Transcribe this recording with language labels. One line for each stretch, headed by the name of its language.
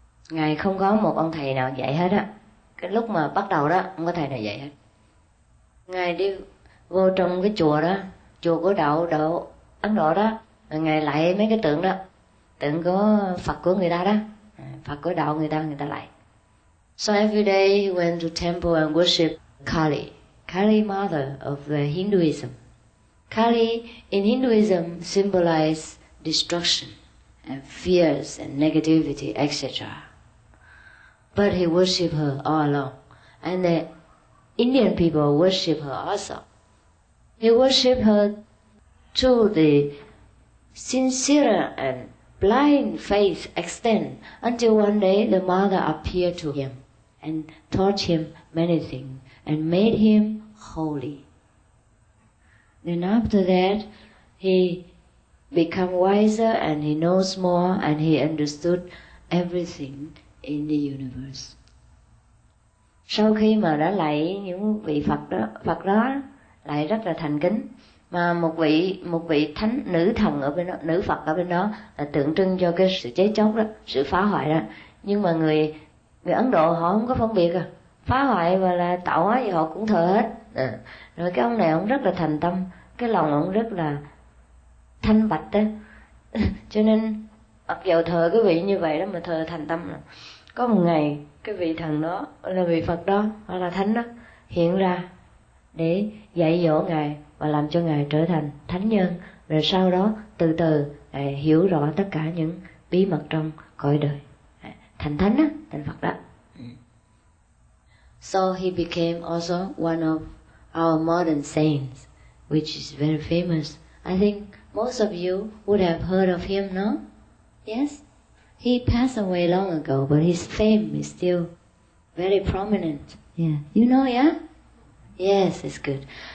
Vietnamese: Ngài không có một ông thầy nào dạy hết á. Cái lúc mà bắt đầu đó, không có thầy nào dạy hết. Ngài đi vô trong cái chùa đó, chùa của đạo đạo Ấn Độ đó, ngài lại mấy cái tượng đó, tượng có Phật của người ta đó, Phật của đạo người ta lại.
English: So every day he went to temple and worship Kali, Kali mother of the Hinduism. Kali in Hinduism symbolizes destruction and fears and negativity, etc. But he worshiped her all along. And the Indian people worship her also. He worshiped her through the sincere and blind faith extent until one day the mother appeared to him and taught him many things and made him holy. Then after that, he became wiser and he knows more and he understood everything in the universe.
Vietnamese: Sau khi mà đã lạy những vị Phật đó lại rất là thành kính, mà một vị thánh nữ thần ở bên đó, nữ Phật ở bên đó là tượng trưng cho cái sự chết chóc đó, sự phá hoại đó. Nhưng mà người Ấn Độ họ không có phân biệt à, phá hoại và là tạo hóa gì họ cũng thờ hết. À. Rồi cái ông này ông rất là thành tâm, cái lòng ông rất là thanh bạch đó. Cho nên mặc dầu thờ cái vị như vậy đó mà thờ thành tâm là có một ngày cái vị thần đó là vị Phật đó hoặc là thánh đó hiện ra để dạy dỗ ngài và làm cho ngài trở thành thánh nhân, rồi sau đó từ từ ngài hiểu rõ tất cả những bí mật trong cõi đời, thành thánh đó, thành Phật đó.
English: So he became also one of our modern saints, which is very famous. I think most of you would have heard of him, no? Yes? He passed away long ago, but his fame is still very prominent. Yeah. You know, yeah? Yes, it's good.